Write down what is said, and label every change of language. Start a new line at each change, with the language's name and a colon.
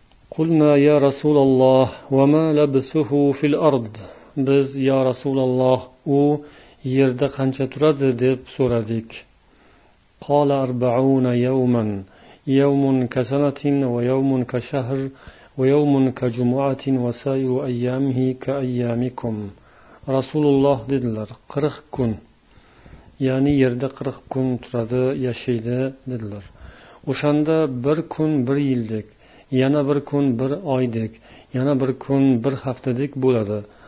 Arabic: قلنا يا رسول الله وما لبثه في الارض
Uzbek: biz ya rasululloh u yerda qancha turadi deb so'radik.
Arabic: قال 40 يوما يوم كسنه ويوم كشهر ويوم كجمعه وسائر ايامه كايامكم
Uzbek: rasululloh dedilar 40 kun ya'ni yerda 40 kun turadi yashaydi dedilar. O'shanda bir kun bir yildek, yana bir kun bir oydek, yana bir kun bir haftadek bo'ladi.